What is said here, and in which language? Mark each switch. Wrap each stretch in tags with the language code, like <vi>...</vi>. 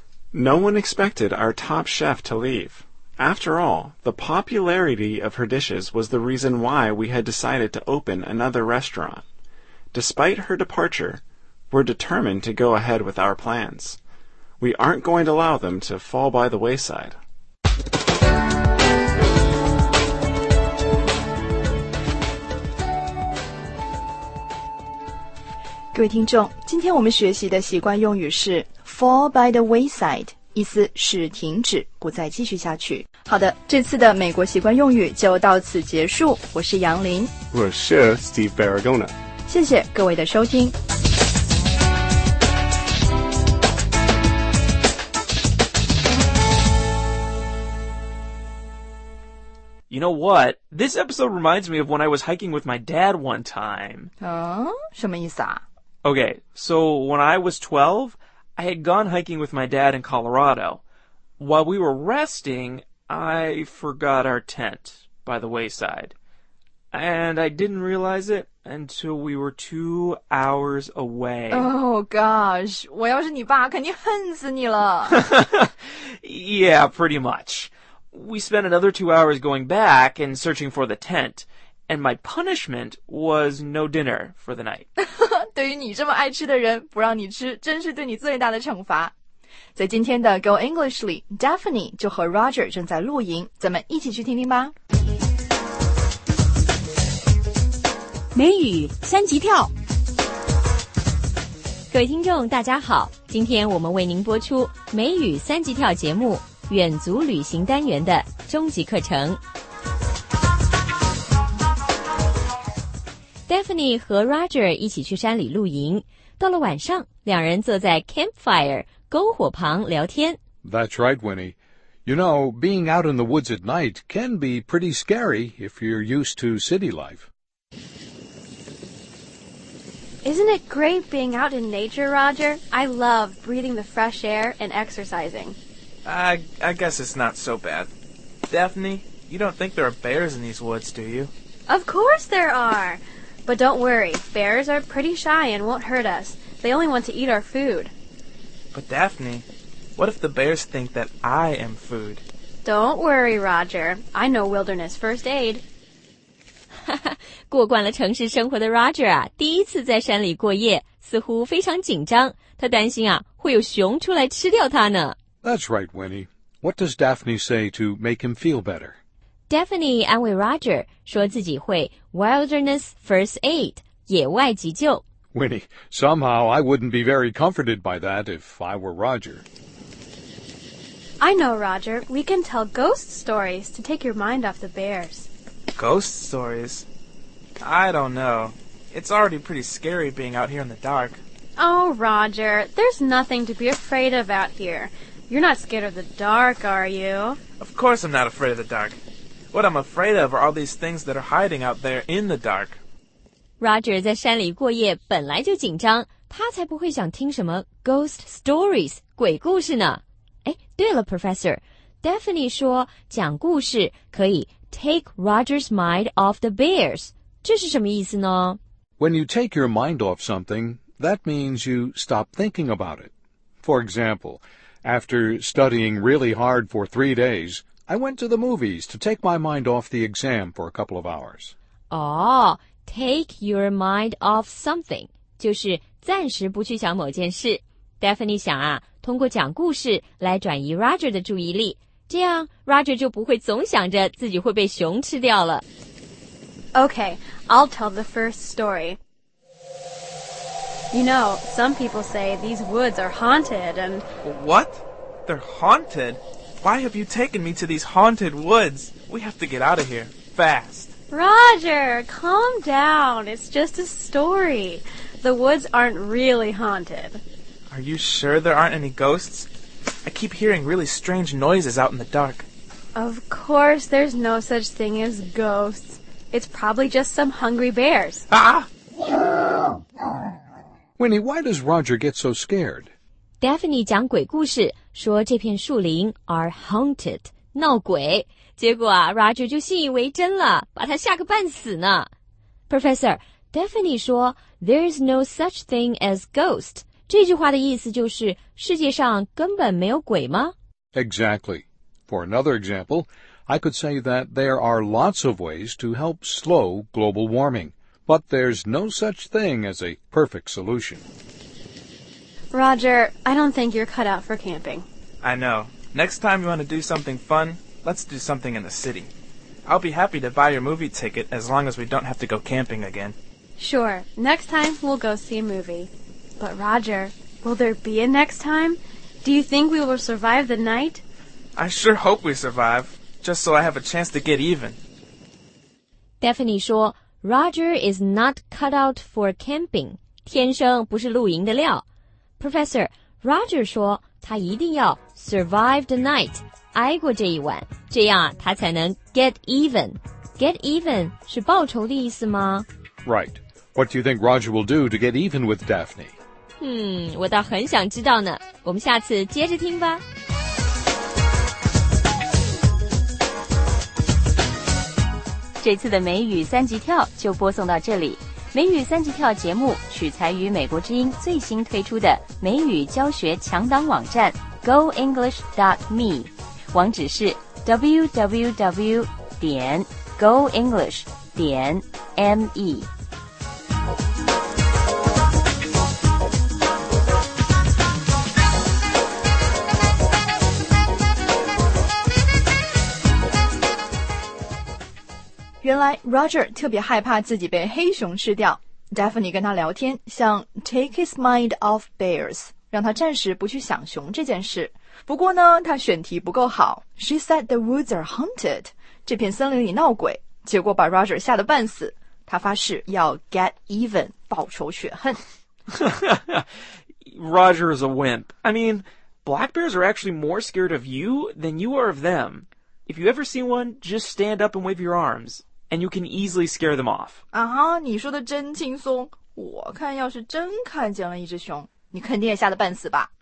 <en>No one expected our top chef to leave. After all, the popularity of her dishes was the reason why we had decided to open another restaurant. Despite her departure, we're determined to go ahead with our plans. We aren't going to allow them to fall by the wayside.</en> <zh>各位听众，今天我们学习的习惯用语是</zh> <en>Fall by the wayside,</en> <zh>意思是停止，不再继续下去。好的，这次的美国习惯用语就到此结束。我是杨林。我是 Steve Barragona。谢谢各位的收听。</zh> <en>You know what? This episode reminds me of when I was hiking with my dad one time.</en> <zh>什么意思啊？</zh> <en>Okay, so when I was 12,I had gone hiking with my dad in Colorado. While we were resting, I forgot our tent by the wayside. And I didn't realize it until we were 2 hours away. Oh, gosh.</en> <zh>我要是你爸肯定恨死你了。</zh> <en>Yeah, pretty much. We spent another 2 hours going back and searching for the tent. And my punishment was no dinner for the night.</en> <zh>对于你这么爱吃的人，不让你吃，真是对你最大的惩罚。在今天的 Go English 里 ，Daphne 就和 Roger 正在露营，咱们一起去听听吧。美语三级跳，各位听众大家好，今天我们为您播出美语三级跳节目远足旅行单元的终极课程。 Daphne 和 Roger 一起去山里露营。到了晚上，两人坐在 campfire 篝火旁聊天。</zh> <en>That's right, Winnie. You know, being out in the woods at night can be pretty scary if you're used to city life. Isn't it great being out in nature, Roger? I love breathing the fresh air and exercising. I guess it's not so bad. Daphne, you don't think there are bears in these woods, do you? Of course there are! But don't worry, bears are pretty shy and won't hurt us. They only want to eat our food. But Daphne, what if the bears think that I am food? Don't worry, Roger. I know wilderness first aid.</en> <zh>过惯了城市生活的 Roger 啊，第一次在山里过夜，似乎非常紧张。他担心啊，会有熊出来吃掉他呢。</zh> <en>That's right, Winnie. What does Daphne say to make him feel better?</en> <zh>Daphne 安慰 Roger, 说自己会</zh> <en>Wilderness First Aid,</en> <zh>野外急救。</zh> <en>Winnie, somehow I wouldn't be very comforted by that if I were Roger. I know, Roger. We can tell ghost stories to take your mind off the bears. Ghost stories? I don't know. It's already pretty scary being out here in the dark. Oh, Roger, there's nothing to be afraid of out here. You're not scared of the dark, are you? Of course I'm not afraid of the dark. What I'm afraid of are all these things that are hiding out there in the dark.</en> <zh>Roger 在山里过夜本来就紧张，他才不会想听什么</zh> <en>ghost stories,</en> <zh>鬼故事呢。哎，对了 ,Professor, Daphne 说讲故事可以</zh> <en>take Roger's mind off the bears,</en> <zh>这是什么意思呢？</zh> <en>When you take your mind off something, that means you stop thinking about it. For example, after studying really hard for 3 days, I went to the movies to take my mind off the exam for a couple of hours.</en> <zh>Oh,</zh> <en>take your mind off something,</en> <zh>就是暂时不去想某件事。 Daphne 想啊，通过讲故事来转移 Roger 的注意力，这样 Roger 就不会总想着自己会被熊吃掉了。</zh> <en>Okay, I'll tell the first story. You know, some people say these woods are haunted and... What? They're haunted? Why have you taken me to these haunted woods? We have to get out of here, fast. Roger, calm down. It's just a story. The woods aren't really haunted. Are you sure there aren't any ghosts? I keep hearing really strange noises out in the dark. Of course, there's no such thing as ghosts. It's probably just some hungry bears. Ah! Winnie, why does Roger get so scared?</en> <zh>Daphne 讲鬼故事，说这片树林</zh> <en>are haunted,</en> <zh>闹鬼。结果啊 ,Roger 就信以为真了，把他吓个半死呢。 Professor, Daphne 说</zh> <en>there's no such thing as ghost.</en> <zh>这句话的意思就是世界上根本没有鬼吗</zh> <en>?Exactly. For another example, I could say that there are lots of ways to help slow global warming, but there's no such thing as a perfect solution. Roger, I don't think you're cut out for camping. I know. Next time you want to do something fun, let's do something in the city. I'll be happy to buy your movie ticket as long as we don't have to go camping again. Sure. Next time we'll go see a movie. But Roger, will there be a next time? Do you think we will survive the night? I sure hope we survive, just so I have a chance to get even.</en> <zh>Daphne 说 Roger</zh> <en>is not cut out for camping,</en> <zh>天生不是露营的料。 Professor, Roger 说他一定要</zh> <en>survive the night,</en> <zh>挨过这一晚，这样他才能</zh> <en>get even. Get even</en> <zh>是报仇的意思吗？</zh> <en>Right. What do you think Roger will do to get even with Daphne?</en> <zh>我倒很想知道呢，我们下次接着听吧。这次的美语三级跳就播送到这里。美语三级跳节目取材于美国之音最新推出的美语教学强档网站 goenglish.me， 网址是 www.goenglish.me。原来 Roger 特别害怕自己被黑熊吃掉。Daphne 跟他聊天，像</zh> <en>take his mind off bears，</en> <zh>让他暂时不去想熊这件事。不过呢，他选题不够好。</zh> <en>She said the woods are haunted，</en> <zh>这片森林里闹鬼，结果把 Roger 吓得半死。他发誓要</zh> <en>get even，</en> <zh>报仇雪恨。</zh> <en>Roger is a wimp. I mean, black bears are actually more scared of you than you are of them. If you ever see one, just stand up and wave your arms. And you can easily scare them off.</en> <zh>啊，你说的真轻松。我看要是真看见了一只熊，你肯定也吓得半死吧。</zh>